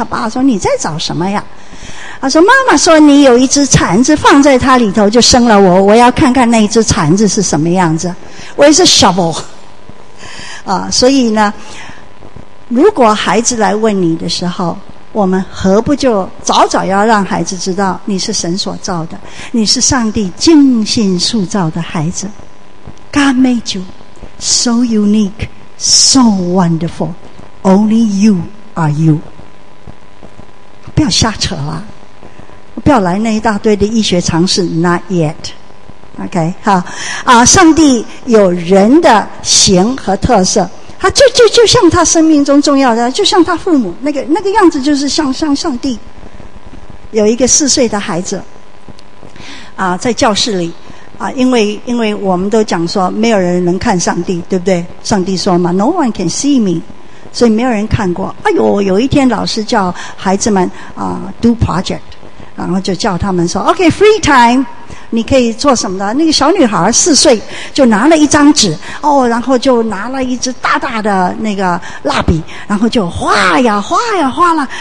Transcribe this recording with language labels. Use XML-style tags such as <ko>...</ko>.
<zh>他爸说：“你在找什么呀？” 他说：“妈妈说你有一只蚕子放在他里头就生了我，我要看看那一只蚕子是什么样子。” 我也是 shovel 所以呢，如果孩子来问你的时候，我们何不就早早要让孩子知道你是神所造的，你是上帝精心塑造的孩子。</zh> <en>God made you so unique, so wonderful. Only you are you.</en> <zh>不要瞎扯了，不要来那一大堆的医学常识。</zh> <en>Not yet.</en> <zh>OK, 上帝有人的形和特色，他就像他生命中重要的，就像他父母那个样子，就是像上帝。有一个四岁的孩子在教室里。因为我们都讲说没有人能看上帝，对不对？上帝说嘛 ,</zh> <en>No one can see me.</en> <zh>所以没有人看过。有一天老师叫孩子们</zh> <en>do project.</en> <zh>然后就叫他们说 ,</zh> <en>OK, free time,</en> <zh>你可以做什么的。那个小女孩四岁就拿了一张纸然后就拿了一支大大的那个蜡笔，然后就画呀画呀画了。</zh>